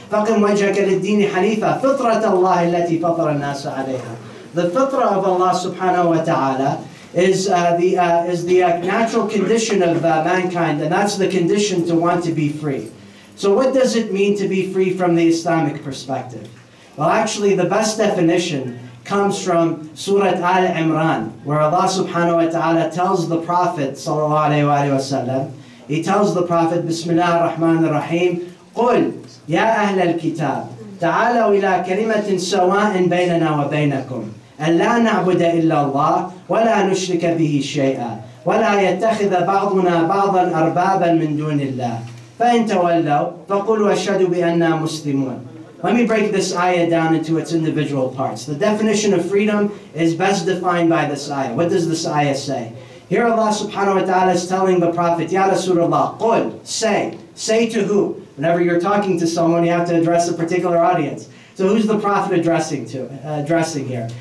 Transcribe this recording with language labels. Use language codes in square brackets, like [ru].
[ar] فَقِمْ وَجْهَكَ لِلْدِينِ حَنِيفًا فِطْرَةَ اللَّهِ الَّتِي فَطَرَ النَّاسَ عَلَيْهَا. [en] The fitra of Allah subhanahu wa ta'ala is the natural condition of mankind, and that's the condition to want to be free. So what does it mean to be free from the Islamic perspective? Well, actually, the best definition comes from Surah Al-Imran, where Allah subhanahu wa ta'ala tells the Prophet, sallallahu alayhi wa sallam, he tells the Prophet, Bismillah ar-Rahman ar-Rahim, [ar] قُلْ يَا أَهْلَ الْكِتَابِ تَعَالَوْا إِلَىٰ كَلِمَةٍ سَوَاءٍ بَيْنَنَا وَبَيْنَكُمْ أَلَّا نَعْبُدَ إِلَّا اللَّهِ وَلَا نُشْرِكَ بِهِ شَيْئًا وَلَا يَتَّخِذَ بَعْضُنَا بَعْضًا أَرْبَابًا مِنْ دُونِ اللَّهِ فَإِنْ تَوَلَّوْا فَقُلُوا أَشْهَدُوا بِأَنَّا مُسْلِمُونَ. [en] Let me break this ayah down into its individual parts. The definition of freedom is best defined by this ayah. What does this ayah say? Here Allah subhanahu wa ta'ala is telling the Prophet, Ya Rasulullah, [ar] قُلْ, [en] say. Say to who? Whenever you're talking to someone, you have to address a particular audience. So who's the Prophet addressing to? Addressing here?